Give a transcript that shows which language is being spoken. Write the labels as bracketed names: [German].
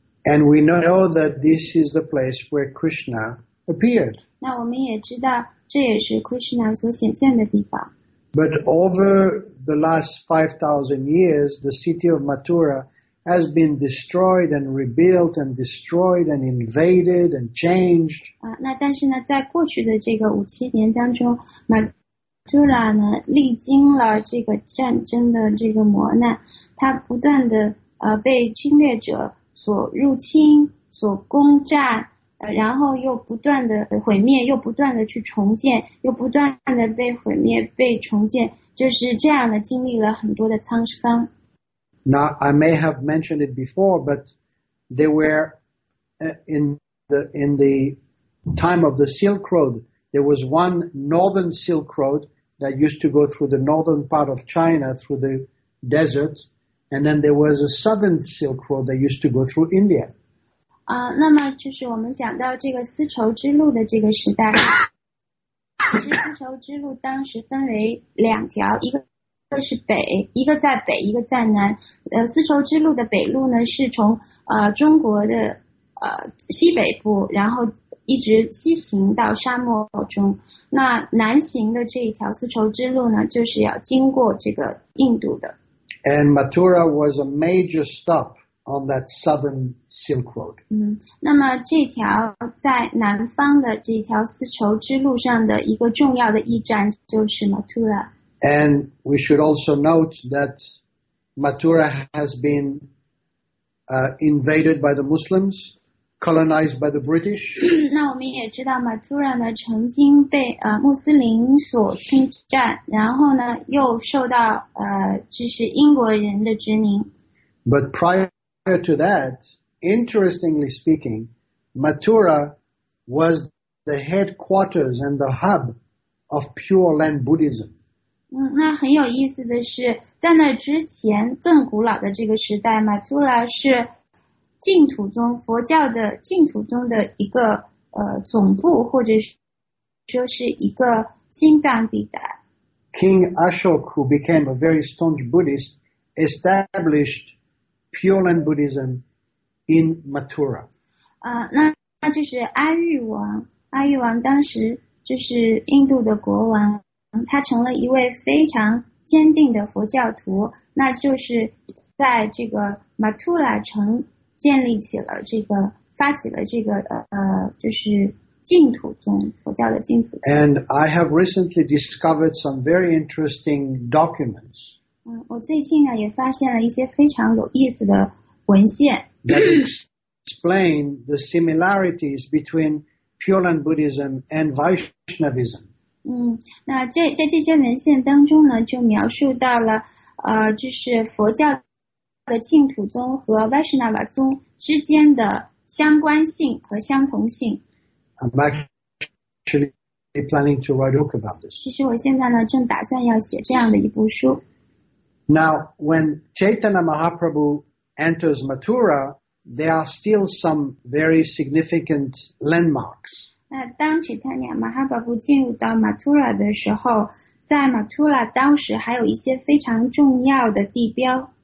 [English] And we know that this is the place where Krishna appeared. [Chinese] 那我们也知道，这也是 Krishna 所显现的地方。 [English] But over the last 5,000 years, the city of Mathura has been destroyed and rebuilt and destroyed and invaded and changed. [Chinese] 那但是呢，在过去的这个五千年当中 ，Mathura 呢历经了这个战争的这个磨难，它不断的被侵略者所入侵、所攻占。然后又不断的毁灭，又不断的去重建，又不断的被毁灭、被重建，就是这样的经历了很多的沧桑。 [English] Now I may have mentioned it before, but they were in the time of the Silk Road. There was one northern Silk Road that used to go through the northern part of China through the desert, and then there was a southern Silk Road that used to go through India. [Chinese] 那么就是我们讲到这个丝绸之路的这个时代，其实丝绸之路当时分为两条，一个是北，一个在北，一个在南。丝绸之路的北路呢，是从中国的西北部，然后一直西行到沙漠中，那南行的这一条丝绸之路呢，就是要经过这个印度的。 [English] And Mathura was a major stop on that southern Silk Road. [Chinese] 嗯，那么这条在南方的这条丝绸之路上的一个重要的驿站就是 Mathura。 [English] And we should also note that Mathura has been invaded by the Muslims. Colonized by the British. [Chinese] 那我们也知道 ，Mathura 呢曾经被穆斯林所侵占，然后呢又受到就是英国人的殖民。 [English] But prior to that, interestingly speaking, Mathura was the headquarters and the hub of Pure Land Buddhism. [Chinese] 嗯，那很有意思的是，在那之前更古老的这个时代 ，Mathura 是。净土宗佛教的净土宗的一个总部或者说是一个心脏地带。 [English] King Ashok, who became a very staunch Buddhist, established Pure Land Buddhism in Mathura. [Chinese] 那就是阿育王当时就是印度的国王，他成了一位非常坚定的佛教徒，那就是在这个 Mathura 城。建立起了这个，发起了这个就是净土宗，佛教的净土宗。 [English] And I have recently discovered some very interesting documents. [Chinese] 嗯，我最近呢也发现了一些非常有意思的文献。 [English] That explain the similarities between Pure Land Buddhism and Vaishnavism. [Chinese] 嗯，那在这些文献当中呢，就描述到了就是佛教。的净土宗和 Vaishnava 宗之间的相关性和相同性。 [English] I'm actually planning to write a book about this. [Chinese] 其实我现在呢，正打算要写这样的一部书。 [English] Now, when Chaitanya Mahaprabhu enters Mathura, there are still some very significant landmarks. [Chinese] 那当 Chaitanya Mahaprabhu 进入到 Mathura 的时候，在 Mathura 当时还有一些非常重要的地标。